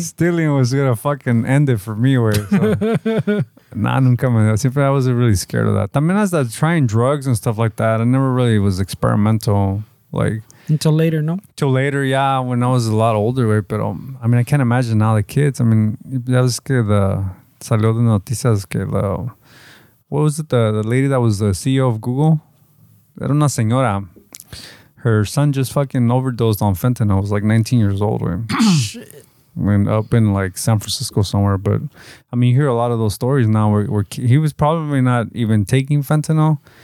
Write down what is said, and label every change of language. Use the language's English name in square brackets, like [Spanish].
[English] Stealing was going to fucking end it for me. So. Nah, [Spanish] nunca me. [English] Siempre I wasn't really scared of that. También as that trying drugs and stuff like that, I never really was experimental. Until later, no? Until later, yeah, when I was a lot older. Right? But I mean, I can't imagine now the kids. [Spanish] I mean, ya ves que salió de noticias que lo... [English] What was it? The lady that was the CEO of Google? [Spanish] Era una señora. [English] Her son just fucking overdosed on fentanyl. I was like 19 years old. Shit. Went up in like San Francisco somewhere. But I mean, you hear a lot of those stories now where he was probably not even taking fentanyl.